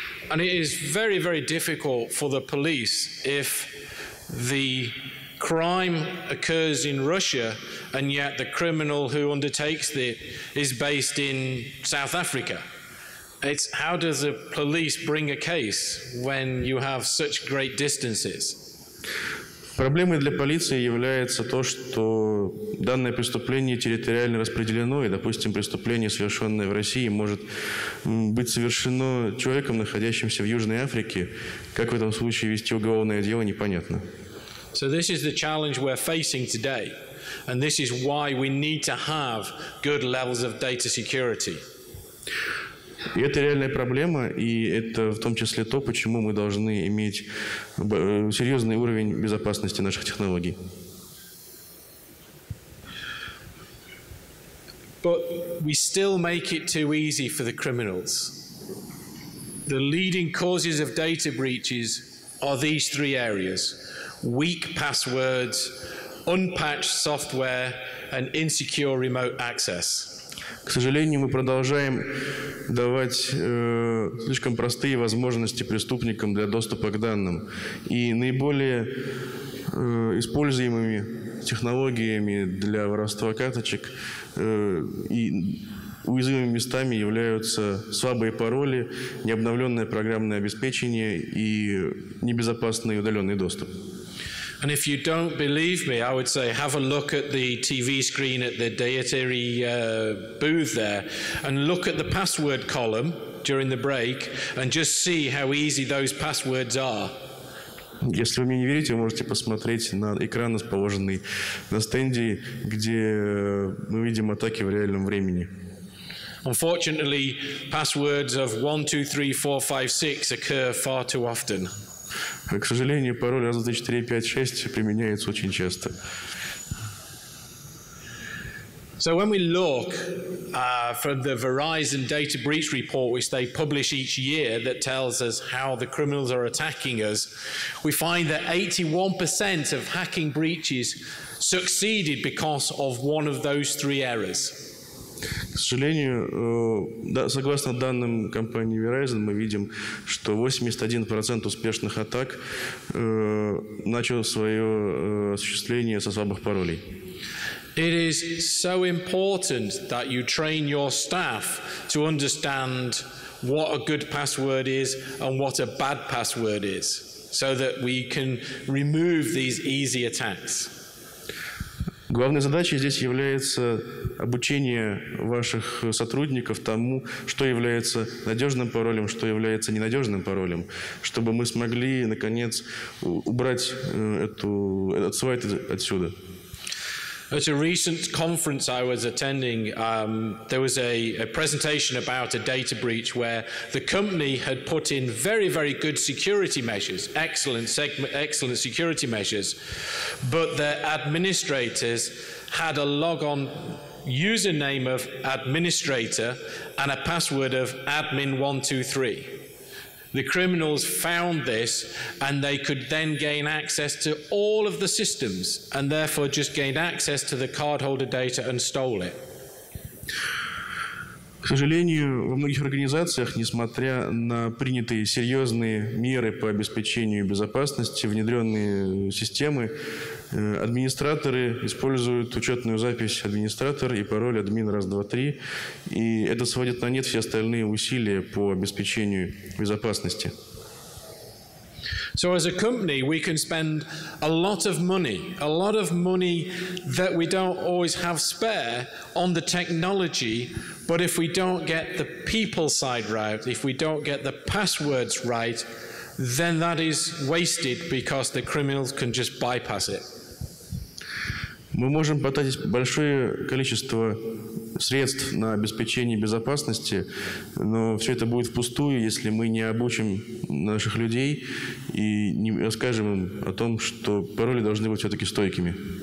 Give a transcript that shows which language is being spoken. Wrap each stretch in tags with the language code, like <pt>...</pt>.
<en>And it is very, very difficult for the police if the crime occurs in Russia and yet the criminal who undertakes it is based in South Africa. It's how does the police bring a case when you have such great distances?</en> <ru>Проблемой для полиции является то, что данное преступление территориально распределено, и, допустим, преступление, совершенное в России, может быть совершено человеком, находящимся в Южной Африке. Как в этом случае вести уголовное дело, непонятно.</ru> <en>So this is the challenge we're facing today, and this is why we need to have good levels of data security.</en> <ru>И это реальная проблема, и это в том числе то, почему мы должны иметь серьезный уровень безопасности наших технологий.</ru> <en>But we still make it too easy for the criminals. The leading causes of data breaches are these three areas: weak passwords, unpatched software, and insecure remote access.</en> <ru>К сожалению, мы продолжаем давать слишком простые возможности преступникам для доступа к данным. И наиболее используемыми технологиями для воровства карточек и уязвимыми местами являются слабые пароли, необновленное программное обеспечение и небезопасный удаленный доступ.</ru> <en>And if you don't believe me, I would say have a look at the TV screen at the Deiteriy booth there and look at the password column during the break and just see how easy those passwords are.</en> <ru>Если вы мне не верите, вы можете посмотреть на экран, расположенный на стенде, где мы видим атаки в реальном времени.</ru> <en>Unfortunately, passwords of 123456 occur far too often.</en> <ru>К сожалению, пароль 123456 применяется очень часто.</ru> <en>So when we look from the Verizon data breach report, which they publish each year, that tells us how the criminals are attacking us, we find that 81% of hacking breaches succeeded because of one of those three errors.</en> <ru>К сожалению, согласно данным компании Verizon, мы видим, что 81% успешных атак начал свое осуществление со слабых паролей.</ru> <en>It is so important that you train your staff to understand what a good password is and what a bad password is, so that we can remove these easy attacks.</en> <ru>Главной задачей здесь является обучение ваших сотрудников тому, что является надежным паролем, что является ненадежным паролем, чтобы мы смогли, наконец, убрать этот слайд отсюда.</ru> <en>At a recent conference I was attending, there was a presentation about a data breach where the company had put in very, very good security measures, excellent security measures, but their administrators had a logon username of administrator and a password of admin123. The criminals found this and they could then gain access to all of the systems and therefore just gained access to the cardholder data and stole it.</en> <ru>К сожалению, во многих организациях, несмотря на принятые серьезные меры по обеспечению безопасности, внедренные системы, администраторы используют учетную запись администратор и пароль админ 123, и это сводит на нет все остальные усилия по обеспечению безопасности.</ru> <en>So as a company, we can spend a lot of money that we don't always have spare on the technology, but if we don't get the people side right, if we don't get the passwords right, then that is wasted because the criminals can just bypass it.</en> <ru>Мы можем потратить большое количество средств на обеспечение безопасности, но все это будет впустую, если мы не обучим наших людей и не расскажем им о том, что пароли должны быть все-таки стойкими.</ru>